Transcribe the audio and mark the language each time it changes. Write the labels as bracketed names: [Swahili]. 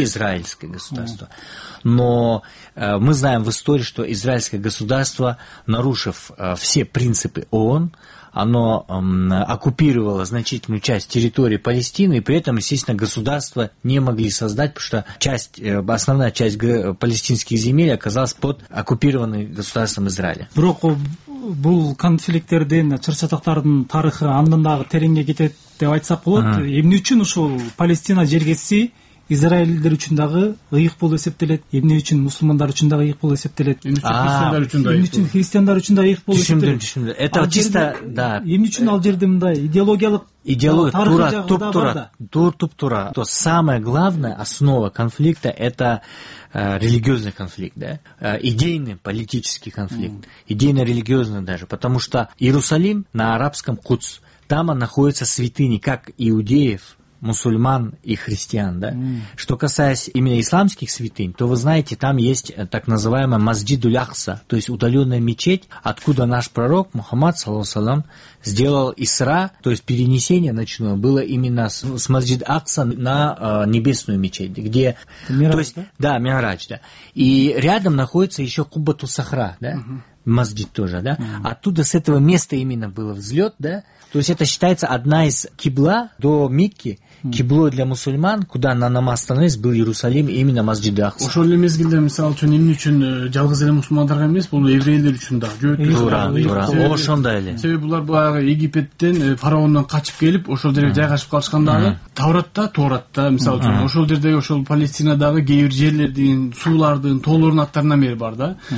[Russian] И израильское государство. Но мы знаем в истории, что израильское государство, нарушив все принципы ООН, оно оккупировало значительную часть территории Палестины, и при этом, естественно, государство не могли создать, потому что основная часть палестинских земель оказалась под оккупированным государством Израиля. [Kyrgyz] Бул конфликттердин, чарчатактардын тарыхы андан дагы тереңге кетет деп айтсак болот. Эмне үчүн ушул Палестина жергеси израилдер үчүн дагы ыйык болуп эсептелет? Эмне үчүн мусулмандар үчүн дагы ыйык болуп эсептелет? Эмне үчүн христиандар үчүн да ыйык болуп эсептелет? Түшүндүм. [Russian] Это чисто, да. [Kyrgyz] Эмне үчүн ал жерде мындай идеологиялык Тура. [Russian] То самое главное, основа конфликта, это религиозный конфликт, да? Идейный, политический конфликт. Идейно-религиозный даже. Потому что Иерусалим на арабском Куц, там находятся святыни, как иудеев, мусульман и христиан, да? Что касается именно исламских святынь, то вы знаете, там есть так называемая Масджид-уль-Ахса, то есть удаленная мечеть, откуда наш пророк Мухаммад, [Arabic] саллаллаху алейхи ва саллям, [Russian] сделал Исра, то есть перенесение ночное было именно с Масджид-Акса на небесную мечеть, где... Мирадж, то есть, да? Да, Мирадж, да. И рядом находится еще Куббатул-Сахра, да? Масджид тоже, да? Оттуда, с этого места именно был взлет, да? То есть это считается одна из кибла до Микки, кибло для мусульман, куда на намаз становились, был Иерусалим, именно Масджид Ахса. [Kyrgyz] Ошол эле мезгилде, мисалы үчүн, эмне үчүн жалгыз эле мусулмандарга эмес, бул еврейлер үчүн да. Ошондой эле. Себеби булар баягы Египеттен, фараондон качып келип, ошол жерге жайгашып калышкандагы, Тауратта, мисалы үчүн, ошол жерде, ошол Палестинадагы кээ бир жерлердин, суулардын, тоолордун аттарына мери бар да.